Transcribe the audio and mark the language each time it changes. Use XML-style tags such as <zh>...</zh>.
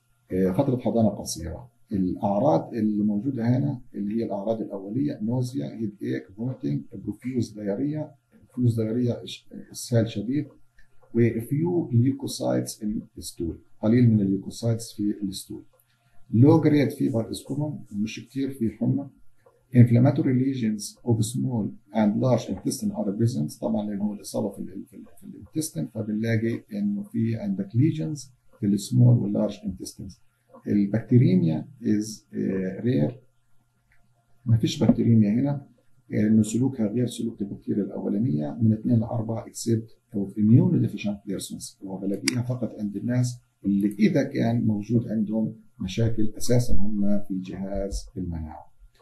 <ar>فترة حضانة قصيرة. الأعراض اللي موجودة هنا اللي هي الأعراض الأولية نوزيا,</ar> <en>headache, vomiting, profuse diarrhea.</en> <ar>فلوس دائرية إسهال شديد و</ar> <en>few leukocytes in the stool,</en> <ar>قليل من الليوكوسايتس في الستول.</ar> <en>Low grade fever is common,</en> <ar>مش كتير في حمى.</ar> <en>Inflammatory lesions of small and large intestine are present.</en> <ar>طبعا لأنه هو الإصابة في الانتستين فبنلاقي أنه في عندك lesions في</ar> <en>small and large intestines.</en> <ar>البكتيريميا</ar> <en>is rare,</en> <ar>ما فيش بكتيريميا هنا لأن سلوكها غير سلوك البكتيريا الأولانية من 2 إلى 4</ar> <en>except of immune deficient persons,</en> <ar>وبلاقيها فقط عند الناس اللي إذا كان موجود عندهم مشاكل أساسا هم في جهاز المناعة.</ar>